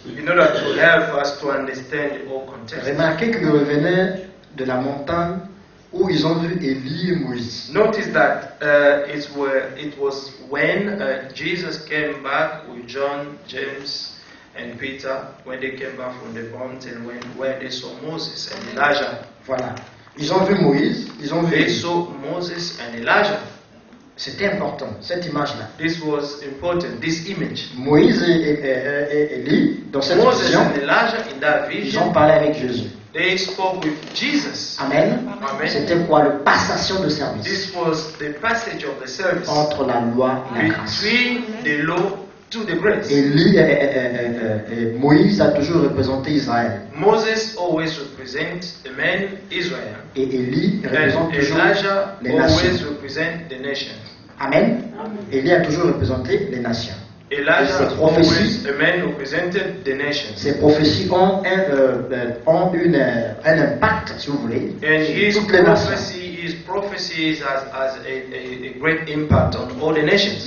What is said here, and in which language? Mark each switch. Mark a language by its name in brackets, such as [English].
[English] In order to help us to understand the whole context. [French] Remarquez qu'ils revenaient de la montagne où ils ont vu Élie et Moïse. [English] Notice that it was when Jesus came back with John, James. And Peter, when they came back from the mountain, where they saw Moses and Elijah. [French] Voilà. Ils ont vu Moïse, ils ont vu. [English] They saw Moses and Elijah. [French] C'était important, cette image-là. [English] This was important, this image. [French] Moïse et Élie, dans cette [English] Moses [French] vision, [English] and Elijah, in that vision, [French] ils ont parlé avec Jésus. [English] They spoke with Jesus. [French] Amen. [English] Amen. [French] C'était quoi le passation de service? [English] This was the passage of the service. [French] Entre la loi et la grâce. [English] Between the law. To the grace. [French] Élie et Moïse a toujours représenté Israël. [English] Moses always represent the man Israel. [French] Et Élie représente toujours [English] Elijah [French] les nations. [English] Always represent the nations. [French] Amen. Élie a toujours représenté les nations. [English] Elijah [French] et ses prophéties, [English] always the man represented the nations. [French] Ses prophéties ont un impact, si vous voulez, [English] and [French] sur [English] his [French] toutes les nations. [English] His prophecies has a great impact on all the nations.